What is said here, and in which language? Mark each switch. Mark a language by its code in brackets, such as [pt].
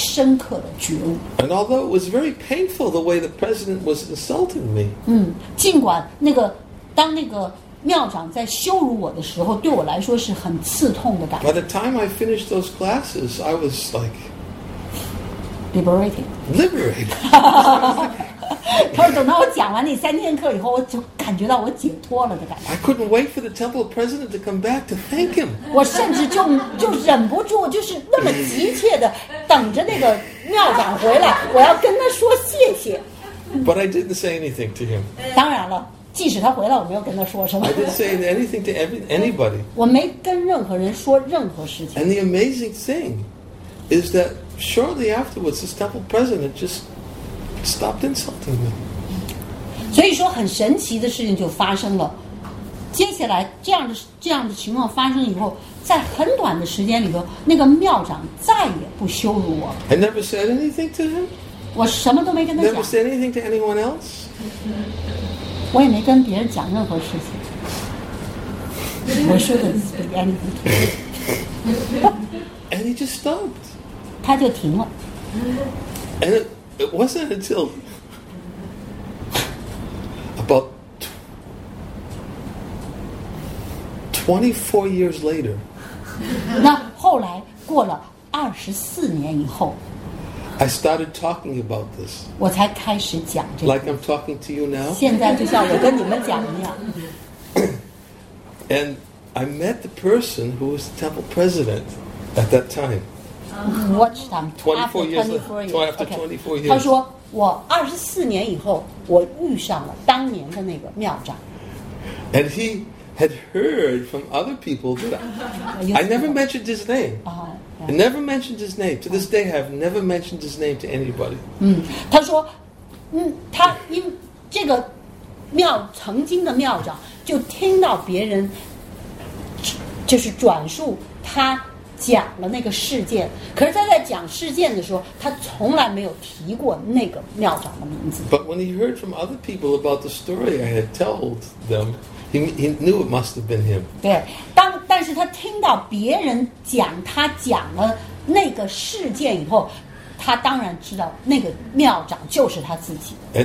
[en] And although it was very painful the way the president was insulting me, [zh] 嗯，尽管那个当那个庙长在羞辱我的时候，对我来说是很刺痛的感觉。 [en] By the time I finished those classes, I was like liberated. [zh] 可是等到我讲完那三天课以后，我就感觉到我解脱了的感觉。 [en] I couldn't wait for the temple president to come back to thank him. [zh] 我甚至就忍不住，就是那么急切的等着那个庙长回来，我要跟他说谢谢。 [en] But I didn't say anything to him. [zh] 当然了，即使他回来，我没有跟他说什么。 [en] I didn't say anything to anybody. [zh] 我没跟任何人说任何事情。 [en] And the amazing thing is that shortly afterwards, the temple president just. Stopped insulting me. [zh] 所以说很神奇的事情就发生了。接下来这样的情况发生以后，在很短的时间里头，那个庙长再也不羞辱我。 [en] I never said anything to him. [zh] 我什么都没跟他讲。 [en] Never said anything to anyone else. [zh] 我也没跟别人讲任何事情。我说的是 [en] anything. And he just stopped. [zh] 他就停了。 [en] It wasn't until about 24 years later. [zh] 那后来过了24年以后 [en] I started talking about this. [zh] 我才开始讲这个。 [en] Like I'm talking to you now. [zh] 现在就像我跟你们讲一样。 [en] And I met the person who was the temple president at that time. watch them 24 years. [zh] 他说我24年以后我遇上了当年的那个庙长。 [en] And he had heard from other people that I never mentioned his name. I never mentioned his name. To this day, I have never mentioned his name to anybody. [zh] 他说，他因这个庙曾经的庙长就听到别人就是转述他讲了那个事件，可是他在讲事件的时候，他从来没有提过那个庙长的名字。 [en] But when he heard from other people about the story I had told them, he knew it must have been him. [zh] 对，但是他听到别人讲他讲了那个事件以后，他当然知道那个庙长就是他自己的。